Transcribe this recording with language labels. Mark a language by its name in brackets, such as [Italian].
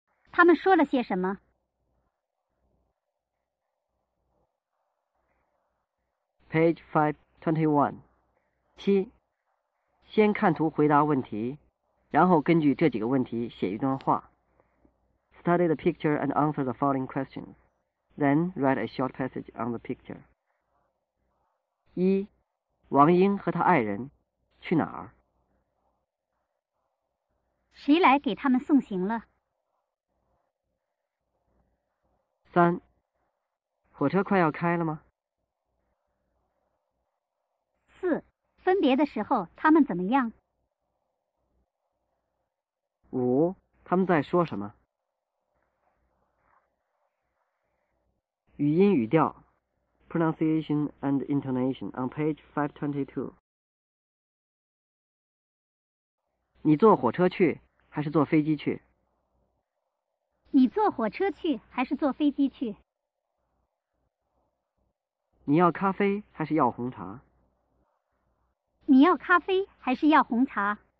[Chinese] 他们说了些什么？ Page 521，七，先看图回答问题，然后根据这几个问题写一段话。 [English] Study the picture and answer the following questions. Then write a short passage on the picture. [Chinese] 一，王英和她爱人去哪儿？谁来给他们送行了？三，火车快要开了吗？四，分别的时候他们怎么样？五，他们在说什么？ [English] 语音语调，pronunciation and intonation on page 522。 [Chinese] 你坐火车去还是坐飞机去？你坐火车去还是坐飞机去？你要咖啡还是要红茶？你要咖啡还是要红茶？